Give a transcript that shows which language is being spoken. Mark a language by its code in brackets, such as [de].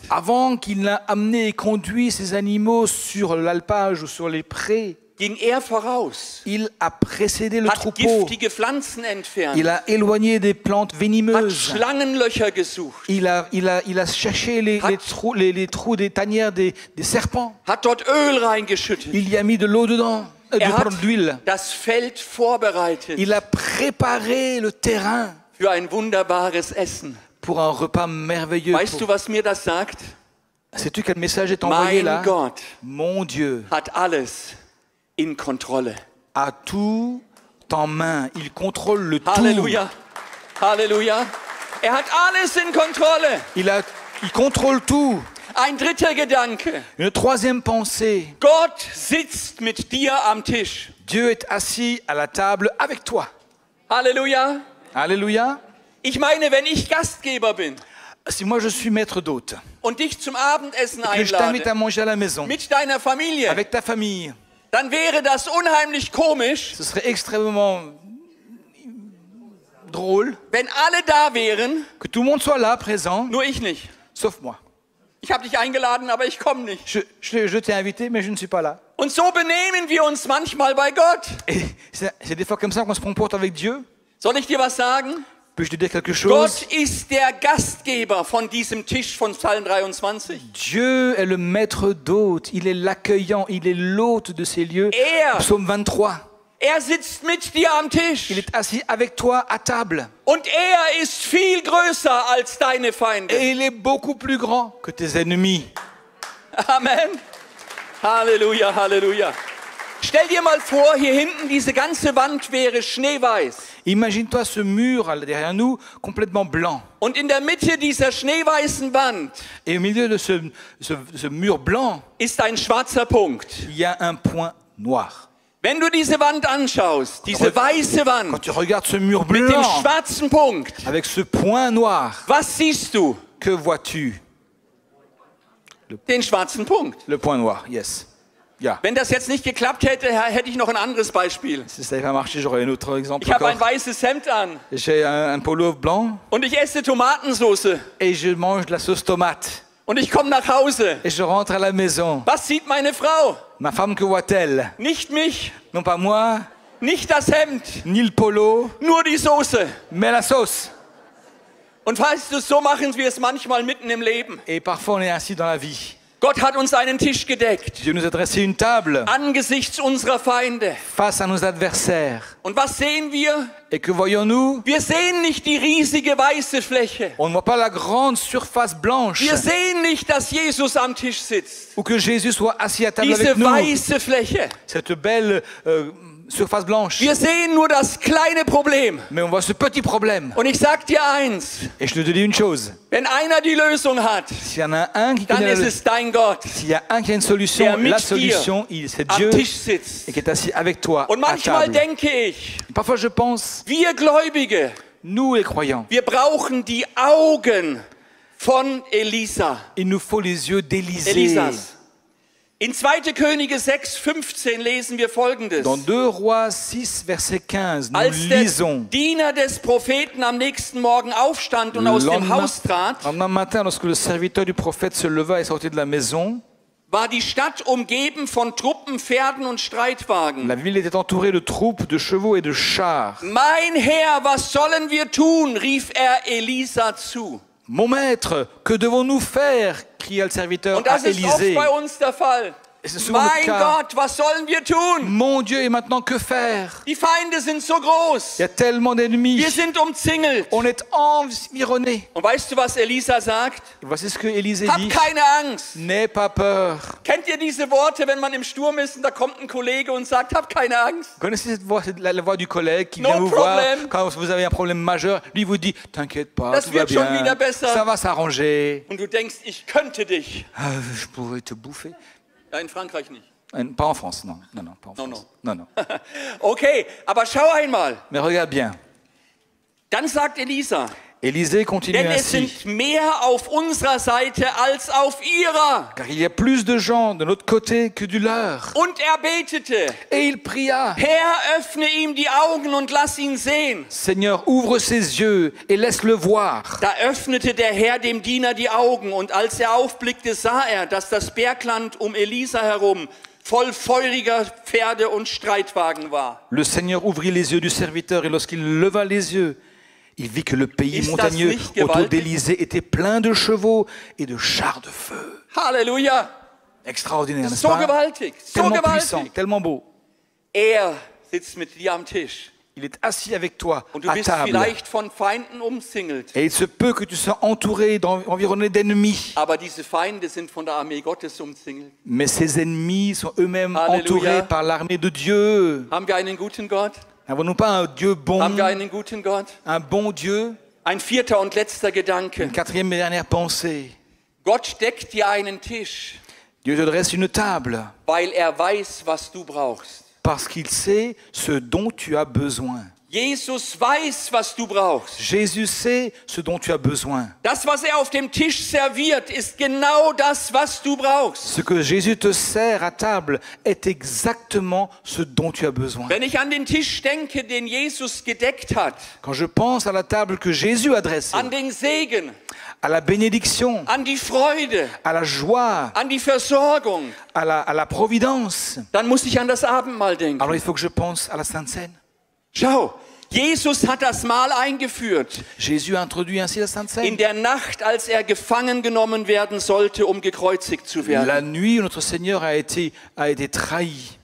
[fr] Avant qu'il l'a amené et conduit ses animaux sur l'alpage ou sur les prés. [de] Ging er voraus. [fr] Il a précédé le [de] hat [fr] troupeau. [de] Giftige Pflanzen entfernt. [fr] Il a éloigné des plantes venimeuses. [de] Hat Schlangenlöcher gesucht. [fr] Il a cherché les trous des tanières des serpents. [de] Hat dort Öl reingeschüttet. [fr] Il y a mis de l'eau dedans. [de] Er hat das Feld vorbereitet. [fr] Il a préparé le terrain. [de] Für ein wunderbares Essen. [fr] Pour un repas merveilleux. [de] Weißt du, was mir das sagt? [fr] Sais-tu quel message est envoyé là? [de] Mein Gott. [fr] Mon Dieu. [de] Hat alles. In Kontrolle. [fr] A tout en main. Il contrôle le tout. [de] Halleluja. Halleluja. Er hat alles in Kontrolle. [fr] Il contrôle tout. [de] Ein dritter Gedanke. [fr] Une troisième pensée. [de] Gott sitzt mit dir am Tisch. [fr] Dieu est assis à la table avec toi. [de] Halleluja. Halleluja. Ich meine, wenn ich Gastgeber bin. Si moi je suis maître d'hôte. Und dich zum Abendessen einlade. [fr] Et que je t'invite à manger à la maison. [de] Mit deiner Familie. [fr] Avec ta famille. [de] Dann wäre das unheimlich komisch. [fr] Ce serait extrêmement drôle. [de] Wenn alle da wären. [fr] Que tout le monde soit là présent. [de] Nur ich nicht. [fr] Sauf moi. [de] Ich habe dich eingeladen, aber ich komme nicht. [fr] Je t'ai invité, mais je ne suis pas là. [de] Und so benehmen wir uns manchmal bei Gott. [fr] Et c'est des fois comme ça qu'on se comporte avec Dieu. [de] Soll ich dir was sagen? [fr] Puis-je te dire quelque chose? [de] Gott ist der Gastgeber von diesem Tisch von Psalm 23. [fr] Dieu est le maître d'hôte, il est l'accueillant, il est l'hôte de ces lieux. Psaume 23. [de] Er sitzt mit dir am Tisch. [fr] Il est assis avec toi à table. [de] Und ist viel größer als deine Feinde. [fr] Et il est beaucoup plus grand que tes ennemis. [de] Amen. Halleluja, halleluja. Stell dir mal vor, hier hinten diese ganze Wand wäre schneeweiß. [fr] Imagine-toi ce mur derrière nous complètement blanc. [de] Und in der Mitte dieser schneeweißen Wand. [fr] Et au milieu de ce mur blanc. [de] Ist ein schwarzer Punkt. [fr] Il y a un point noir. [de] Wenn du diese Wand anschaust, diese weiße Wand. [fr] Quand tu regardes ce mur blanc. [de] Mit dem schwarzen Punkt. [fr] Avec ce point noir. [de] Was siehst du? [fr] Que vois-tu? [de] Den schwarzen Punkt. [fr] Le point noir. Yes. [de] Ja. Wenn das jetzt nicht geklappt hätte, hätte ich noch ein anderes Beispiel. [fr] Si ça avait marché, j'aurais un autre exemple. [de] Ich habe ein weißes Hemd an. [fr] J'ai un polo blanc. [de] Und ich esse Tomatensauce. [fr] Et je mange de la sauce tomate. [de] Und ich komme nach Hause. [fr] Et je rentre à la maison. [de] Was sieht meine Frau? [fr] Ma femme, que voit-elle? [de] Nicht mich. [fr] Non pas moi. [de] Nicht das Hemd. [fr] Ni le polo. [de] Nur die Soße. [fr] Mais la sauce. [de] Und falls du es so machen, wie es manchmal mitten im Leben. [fr] Et parfois on est ainsi dans la vie. [de] Gott hat uns einen Tisch gedeckt. [fr] Dieu nous a dressé une table. [de] Angesichts unserer Feinde. [fr] Face à nos adversaires. [de] Und was sehen wir? [fr] Et que voyons-nous? [de] Wir sehen nicht die riesige weiße Fläche. [fr] On ne voit pas la grande surface blanche. [de] Wir sehen nicht, dass Jesus am Tisch sitzt. [fr] Ou que Jésus soit assis à table [de] Diese [fr] avec nous. [de] Diese weiße Fläche. [fr] Cette belle surface blanche. [de] Wir sehen nur das kleine Problem. [fr] Mais on voit ce petit problème. [de] Und ich sag dir eins. [fr] Et je te dis une chose. [de] Wenn einer die Lösung hat, [fr] s'il y en a un qui [de] dann ist es dein Gott. [fr] S'il y a un qui a une solution, la solution, c'est Dieu. Et qui est assis avec toi. [de] Und manchmal [fr] à table. [de] Denke ich, [fr] parfois je pense, [de] wir Gläubige, [fr] nous les croyants, [de] wir brauchen die Augen von Elisa. [fr] Il nous faut les yeux d'Élisée. [de] Elisas. In 2. Könige 6, 15 lesen wir Folgendes. [fr] Dans 2 Rois 6, verset 15, nous [de] Als der [fr] lisons. [de] Diener des Propheten am nächsten Morgen aufstand und aus dem Haus trat, [fr] matin, lorsque le serviteur du prophète se leva et sortit de la maison, [de] war die Stadt umgeben von Truppen, Pferden und Streitwagen. [fr] La ville était entourée de troupes, de chevaux et de chars. [de] Mein Herr, was sollen wir tun? Rief er Elisa zu. [fr] Mon maître, que devons-nous faire? Cria le serviteur à Élisée. [de] Oft bei uns der Fall. Mein Gott, was sollen wir tun? [fr] Mon Dieu, et maintenant que faire? [de] Die Feinde sind so groß. [fr] Il y a tellement d'ennemis. [de] Wir sind umzingelt. [fr] On est environné. [de] Und weißt du, was Elisa sagt? Was ist, [fr] que Élisée dit? [de] Hab keine Angst. [fr] N'aie pas peur. [de] Kennt ihr diese Worte, wenn man im Sturm ist und da kommt ein Kollege und sagt, hab keine Angst? [fr] Connaissez cette voix, la voix du collègue qui vient vous voir quand vous avez un problème majeur, lui vous dit, t'inquiète pas, [de] das [fr] tout va bien. [de] Das wird schon wieder besser. [fr] Ça va s'arranger. [de] Und du denkst, ich könnte dich. [fr] Je pourrais te bouffer. [de] In Frankreich nicht. [fr] Pas en France, non. Non, non, pas en France. Non, non. Non, non. [de] Okay, aber schau einmal. [fr] Mais regarde bien. [de] Dann sagt Elisa. [fr] Élisée continue [de] denn [fr] ainsi. [de] Denn es sind mehr auf unserer Seite als auf ihrer. [fr] Car il y a plus de gens de notre côté que du leur. [de] Und er betete. [fr] Et il pria. [de] Herr, öffne ihm die Augen und lass ihn sehen. [fr] Seigneur, ouvre ses yeux et laisse-le voir. [de] Da öffnete der Herr dem Diener die Augen und als er aufblickte, sah er, dass das Bergland um Elisa herum voll feuriger Pferde und Streitwagen war. [fr] Le Seigneur ouvrit les yeux du serviteur et lorsqu'il leva les yeux, il vit que le pays [de] Ist [fr] montagneux autour d'Élisée était plein de chevaux et de chars de feu. [de] Halleluja! [fr] Extraordinaire, n'est-ce pas? [de] So gewaltig, so [fr] tellement [de] gewaltig. [fr] Puissant, tellement beau. [de] Er sitzt mit dir am Tisch. [fr] Il est assis avec toi [de] Und du [fr] à [de] bist [fr] table. [de] Vielleicht von Feinden umzingelt. [fr] Et il se peut que tu sois entouré, environné d'ennemis. [de] Aber diese Feinde sind von der Armee Gottes umzingelt. [fr] Mais ces ennemis sont eux-mêmes Halleluja. Entourés par l'armée de Dieu. [de] Haben wir einen guten Gott? [fr] N'avons-nous pas un Dieu bon? [de] Haben wir einen guten Gott? [fr] Un bon Dieu? [de] Ein vierter und letzter Gedanke. [fr] Une quatrième et dernière pensée. [de] Gott deckt dir einen Tisch. [fr] Dieu te dresse une table. [de] Weil er weiß, was du brauchst. [fr] Parce qu'il sait ce dont tu as besoin. [de] Jesus weiß, was du brauchst. [fr] Jésus sait ce dont tu as besoin. [de] Das, was er auf dem Tisch serviert, ist genau das, was du brauchst. [fr] Ce que Jésus te sert à table est exactement ce dont tu as besoin. [de] Wenn ich an den Tisch denke, den Jesus gedeckt hat. [fr] Quand je pense à la table que Jésus a dressée. [de] An den Segen. [fr] À la bénédiction. [de] An die Freude. [fr] À la joie. [de] An die Versorgung. [fr] À la providence. [de] Dann muss ich an das Abendmahl denken. [fr] Alors il faut que je pense à la Sainte Cène. [de] Schau, Jesus hat das Mahl eingeführt. [fr] Jésus a introduit ainsi la Sainte Cène. [de] In der Nacht, als er gefangen genommen werden sollte, um gekreuzigt zu werden. [fr] La nuit où notre Seigneur a été trahi.